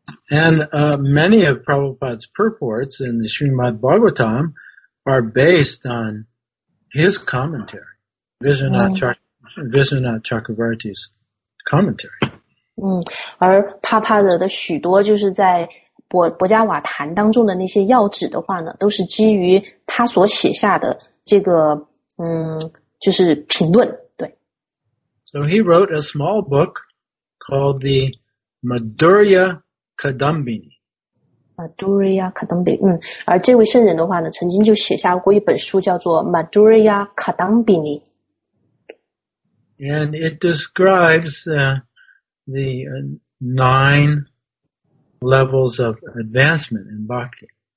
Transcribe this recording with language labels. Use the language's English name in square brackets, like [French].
[English] And many of Prabhupada's purports in the Srimad Bhagavatam are based on his commentary, Viswanath Chakravarti's commentary. [Chinese] 而帕帕的许多就是在博加瓦坛当中的那些要旨的话呢，都是基于他所写下的这个，就是评论。对。So [English] he wrote a small book called the Madhurya Kadambini. [Chinese] Madhurya Kadambini. 而这位圣人的话呢，曾经就写下过一本书，叫做 Madhurya Kadambini. [English] And it describes the nine levels of advancement in bhakti.